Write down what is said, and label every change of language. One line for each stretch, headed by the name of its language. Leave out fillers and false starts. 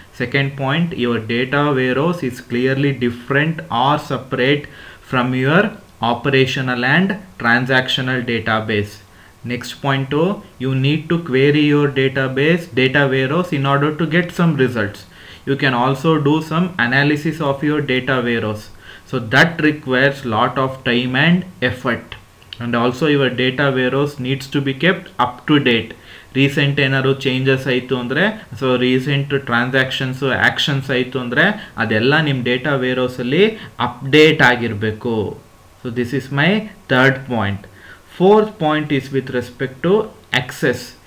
English: Second point, your data warehouse is clearly different or separate from your operational and transactional database. Next point, you need to query your database data warehouse in order to get some results. You can also do some analysis of your data warehouse. So that requires lot of time and effort. And also your data warehouse needs to be kept up to date.
Kannada: Recent ಏನಾದ್ರು changes ಆಯಿತು ಅಂದರೆ, so recent transactions actions ಆಯಿತು ಅಂದರೆ ಅದೆಲ್ಲ ನಿಮ್ಮ data ವೇರೋಸಲ್ಲಿ update ಆಗಿರಬೇಕು.
English: So this is my third point. Fourth point is with respect to access.